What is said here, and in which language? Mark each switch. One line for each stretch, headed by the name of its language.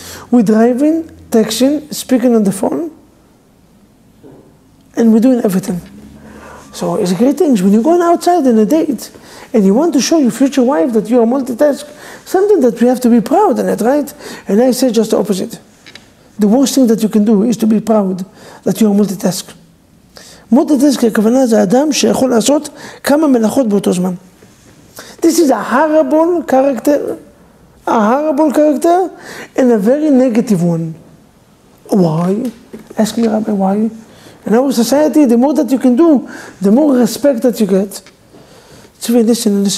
English: We're driving, texting, speaking on the phone, and we're doing everything. So it's a great thing. When you're going outside on a date and you want to show your future wife that you are multitask, something that we have to be proud in it, right? And I say just the opposite. The worst thing that you can do is to be proud that you are multitask.
Hebrew: Multitask, הכוונה, זה אדם שיכול לעשות כמה מלאכות באותו זמן.
English: This is a horrible character, and a very negative one. Why? Ask me, Rabbi, why? In our society, the more that you can do, the more respect that you get. Tzvi, listen.